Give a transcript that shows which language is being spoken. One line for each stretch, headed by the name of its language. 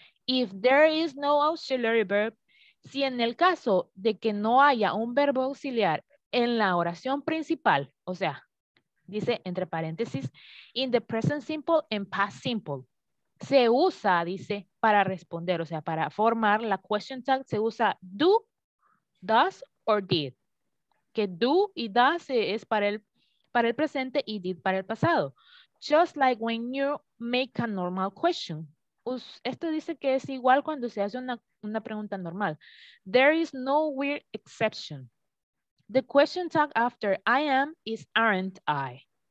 English: If there is no auxiliary verb,
Spanish: si en el caso de que no haya un verbo auxiliar en la oración principal, o sea, dice entre paréntesis,
English: in the present simple and past simple,
Spanish: se usa, dice, para responder, o sea, para formar la question tag, se usa
English: do, does, or did.
Spanish: Que do y does es para el presente y did para el pasado.
English: Just like when you make a normal question.
Spanish: Esto dice que es igual cuando se hace una pregunta normal.
English: There is no weird exception. The question tag after I am is aren't I.